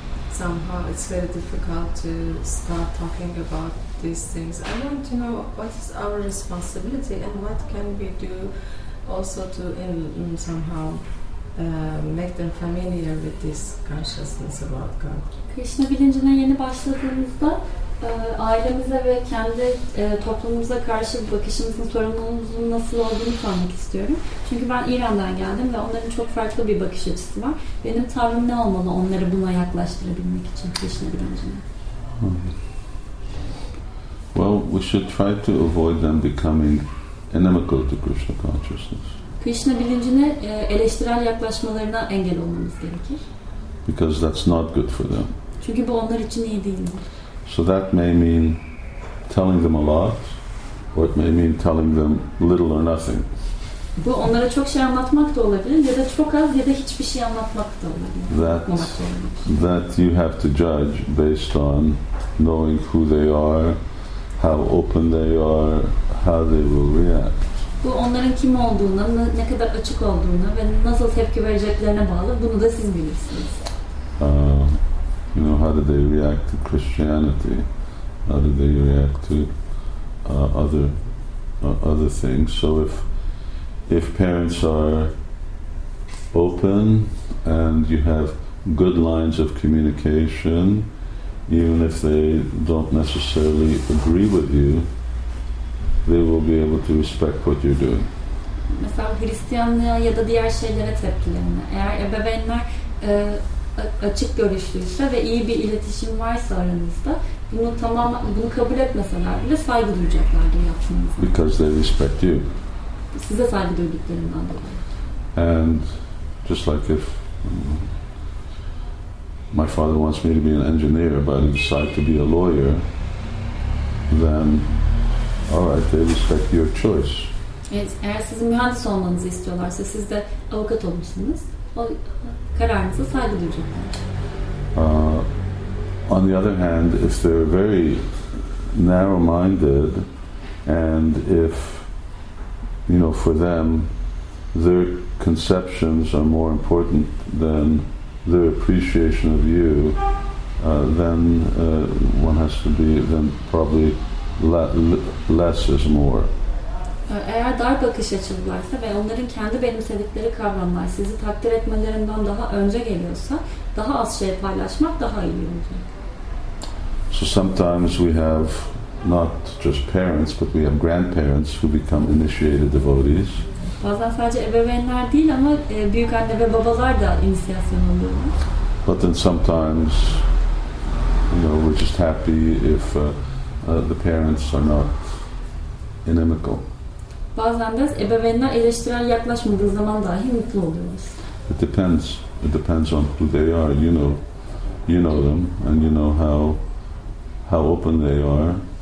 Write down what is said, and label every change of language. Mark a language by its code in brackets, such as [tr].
[en] Somehow it's very difficult to start talking about these things. I want to know what is our responsibility and what can we do also to somehow make them familiar with this consciousness about God. [tr] Krishna bilincine yeni başladığımızda ailemize ve kendi toplumumuza karşı bakışımızın sorumluluğumuzun nasıl olduğunu sormak istiyorum. Çünkü ben İran'dan geldim ve onların çok farklı bir bakış açısı var. Benim tavrım ne olmalı onları buna yaklaştırabilmek için Krishna bilincine? [en] Well, we should try to avoid them becoming inimical to Krishna consciousness. [tr] Krishna bilincine eleştirel yaklaşmalarına engel olmamız gerekir. [en] Because that's not good for them. [tr] Çünkü bu onlar için iyi değil. [en] So that may mean telling them a lot, or it may mean telling them little or nothing. [tr] Bu onlara çok şey anlatmak da olabilir, ya da çok az ya da hiçbir şey anlatmak da olabilir. [en] That you have to judge based on knowing who they are, how open they are, how they will react. [tr] Bu onların kim olduğuna, ne kadar açık olduğuna ve nasıl tepki vereceklerine bağlı. Bunu da siz bilirsiniz. [en] You know, how do they react to Christianity? How do they react to other things? So if parents are open and you have good lines of communication, even if they don't necessarily agree with you, they will be able to respect what you're doing. [tr] Mesela Hristiyanlığa ya da diğer şeylere tepkilerine, eğer ebeveynler açık görüşlüyse ve iyi bir iletişim varsa aranızda, bunu kabul etmeseler bile saygı duyacaklardır yaptığınızda. [en] Because they respect you. [tr] Size saygı duyduklarından dolayı. [en] And just like if my father wants me to be an engineer, but I decide to be a lawyer, then all right, they respect your choice. [tr] Evet, eğer sizin mühendis olmanızı istiyorlarsa, siz de avukat olmuşsunuz, o kararınıza saygı duyacaklar. [en] On the other hand, if they're very narrow-minded, and if, you know, for them, their conceptions are more important than their appreciation of you, then one has to be then probably less is more. [tr] Eğer dar bakış açılırlarsa ve onların kendi benimsedikleri kavramlar sizi takdir etmelerinden daha önce geliyorsa, daha az şey paylaşmak daha iyi olacak. [en] So sometimes we have not just parents, but we have grandparents who become initiated devotees. [tr] Bazen sadece ebeveynler değil ama büyük anne ve babalar da inisiyasyon oluyor. [en] But then sometimes, you know, we're just happy if the parents are not inimical. [tr] Bazen de ebeveynler eleştirel yaklaşmadığı zaman dahi mutlu oluyoruz. [en] It depends. It depends on who they are. You know them, and you know how open they are.